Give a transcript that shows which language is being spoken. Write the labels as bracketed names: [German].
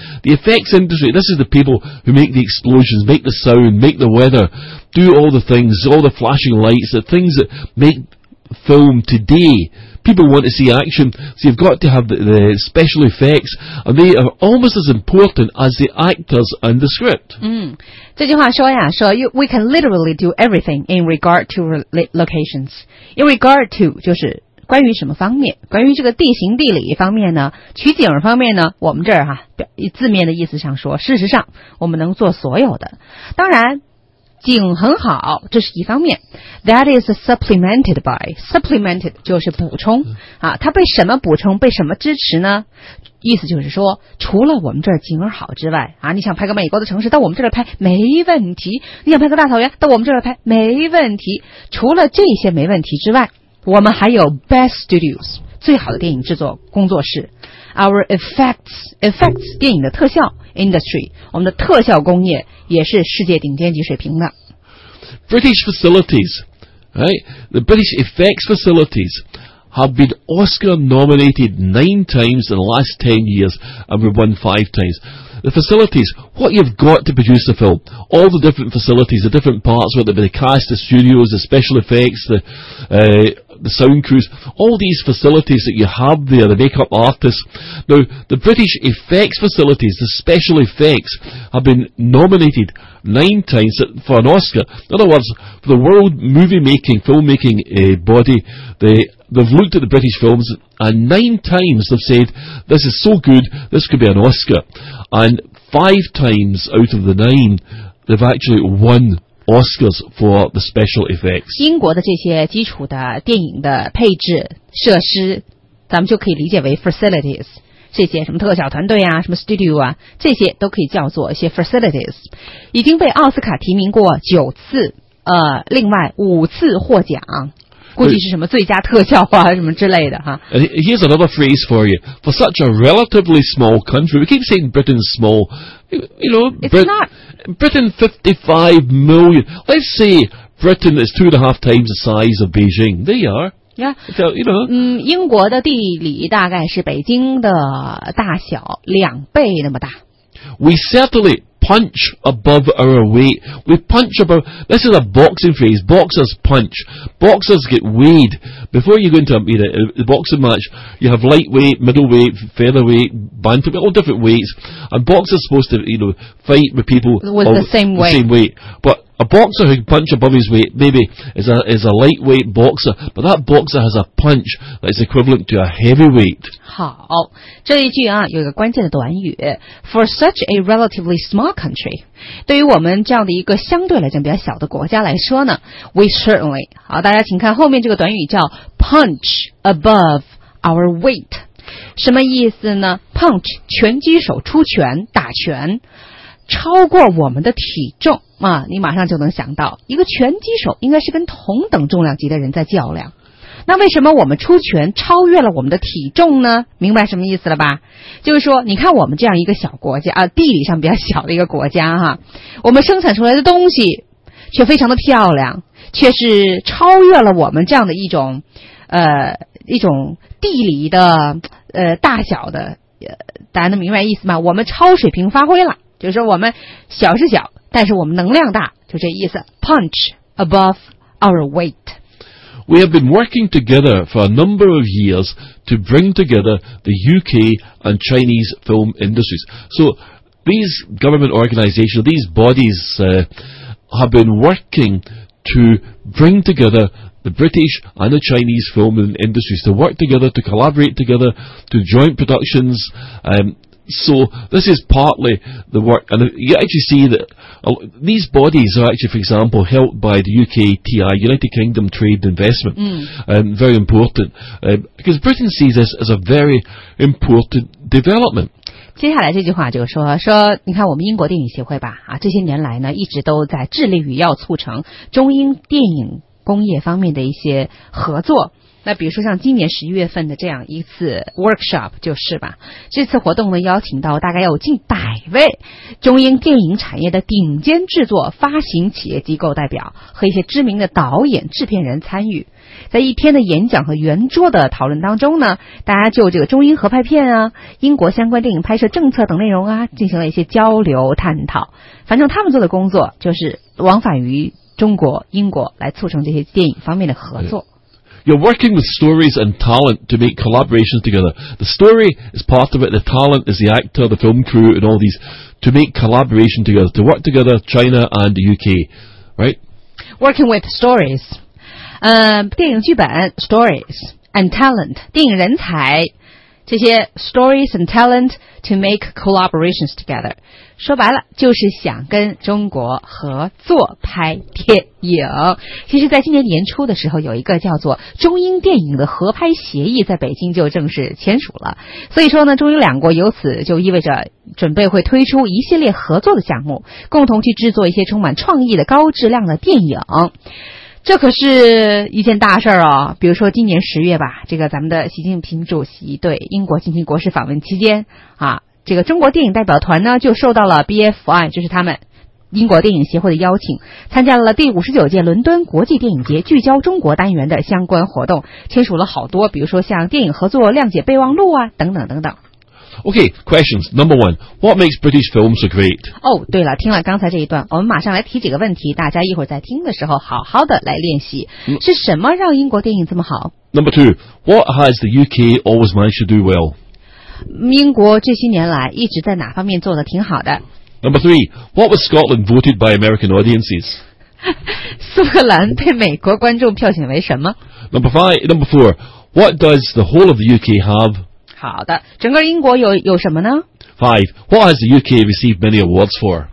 [English] The effects industry, this is the people who make the explosions, make the sound, make the weather, do all the things, all the flashing lights, the things that make film today. People want to see action, so you've got to have the special effects, and they are almost as important as the actors and the script. [Chinese] 这句话说呀，说 [English] we can literally do everything in regard to locations. [Chinese] In regard to 就是关于什么方面，关于这个地形地理方面呢，取景方面呢，我们这儿哈，字面的意思上说，事实上我们能做所有的。当然景很好，这是一方面。 [English] That is supplemented by. [Chinese] Supplemented 就是补充啊，它被什么补充，被什么支持呢？意思就是说，除了我们这儿景儿好之外啊，你想拍个美国的城市，到我们这儿拍没问题；你想拍个大草原，到我们这儿拍没问题。除了这些没问题之外，我们还有 [English] best studios [Chinese] 最好的电影制作工作室。 [English] Our effects [Chinese] 电影的特效 industry 我们的特效工业也是世界顶尖级水平的。 [English] British facilities, right? The British effects facilities have been Oscar nominated 9 times in the last 10 years, and we've won 5 times. The facilities, what you've got to produce the film, all the different facilities, the different parts, whether it be the cast, the studios, the special effects, the sound crews, all these facilities that you have there, the makeup artists. Now, the British effects facilities, the special effects, have been nominated 9 times for an Oscar. In other words, for the world movie making, filmmaking body, they've looked at the British films and 9 times they've said, this is so good, this could be an Oscar. And 5 times out of the 9, they've actually won Oscars for the special effects. [Chinese] 英国的这些基础的电影的配置设施，咱们就可以理解为 facilities， 这些什么特效团队啊，什么 studio 啊，这些都可以叫做一些 facilities， 已经被奥斯卡提名过9次，另外5次获奖，估计是什么最佳特效啊什么之类的哈。 [English] Here's another phrase for you. For such a relatively small country, we keep saying Britain's small. You know, Britain 55 million. Let's say Britain is 2.5 times the size of Beijing. There you are. Yeah. So, you know. [Chinese] 英国的地理大概是北京的大小2倍那么大。 [English] We certainly punch above our weight. We punch above. This is a boxing phrase. Boxers punch. Boxers get weighed. Before you go into a boxing match, you have lightweight, middleweight, featherweight, bantamweight, all different weights. And boxers are supposed to, you know, fight with people with the same weight. But a boxer who can punch above his weight maybe is a lightweight boxer, but that boxer has a punch that's equivalent to a heavyweight. [Chinese] 好，这一句啊，有一个关键的短语 ， [English] for such a relatively small country， [Chinese] 对于我们这样的一个相对来讲比较小的国家来说呢 ， [English] we certainly， [Chinese] 好，大家请看后面这个短语叫 [English] punch above our weight， [Chinese] 什么意思呢 ？punch 拳击手出拳打拳，超过我们的体重。啊，你马上就能想到，一个拳击手应该是跟同等重量级的人在较量。那为什么我们出拳超越了我们的体重呢？明白什么意思了吧？就是说，你看我们这样一个小国家啊，地理上比较小的一个国家哈，我们生产出来的东西却非常的漂亮，却是超越了我们这样的一种，一种地理的大小的，大家能明白意思吗？我们超水平发挥了，就是说我们小是小。但是我们能量大，就这意思。 [English] Punch above our weight. We have been working together for a number of years to bring together the UK and Chinese film industries. So these government organizations, these bodies, have been working to bring together the British and the Chinese film industries to work together, to collaborate together, to joint productions. So this is partly the work, and you actually see that these bodies are actually, for example, helped by the UKTI, United Kingdom Trade and Investment, very important, because Britain sees this as a very important development. [Chinese] 接下来这句话就是说你看我们英国电影协会吧，啊，这些年来呢，一直都在致力于要促成中英电影工业方面的一些合作。那比如说像今年十一月份的这样一次 workshop 就是吧，这次活动呢邀请到大概有近百位中英电影产业的顶尖制作发行企业机构代表和一些知名的导演制片人参与，在一天的演讲和圆桌的讨论当中呢，大家就这个中英合拍片啊、英国相关电影拍摄政策等内容啊进行了一些交流探讨，反正他们做的工作就是往返于中国英国来促成这些电影方面的合作。 [English] You're working with stories and talent to make collaborations together. The story is part of it, the talent is the actor, the film crew and all these, to make collaboration together, to work together, China and the UK, right? Working with stories, [Chinese] 电影剧本 [English] stories and talent, [Chinese] 电影人才，这些 [English] stories and talent to make collaborations together. [Chinese] 说白了就是想跟中国合作拍电影。其实在今年年初的时候有一个叫做中英电影的合拍协议在北京就正式签署了。所以说呢中英两国由此就意味着准备会推出一系列合作的项目，共同去制作一些充满创意的高质量的电影。这可是一件大事儿哦，比如说今年十月吧，这个咱们的习近平主席对英国进行国事访问期间啊，这个中国电影代表团呢就受到了 BFI， 就是他们英国电影协会的邀请，参加了第59届伦敦国际电影节聚焦中国单元的相关活动，签署了好多，比如说像电影合作谅解备忘录啊等等等等。 [English] Okay, questions. Number one, what makes British films so great? [Chinese] Oh, 对了，听了刚才这一段，我们马上来提几个问题，大家一会儿在听的时候好好的来练习。是什么让英国电影这么好？ [English] Number two, what has the UK always managed to do well? [Chinese] 英国这些年来一直在哪方面做得挺好的？ [English] Number three, what was Scotland voted by American audiences? [Chinese] 苏格兰被美国观众票选为什么？ [English] Number four, what does the whole of the UK have? [Chinese] 好的，整个英国有什么呢 [English] ？Five. What has the UK received many awards for?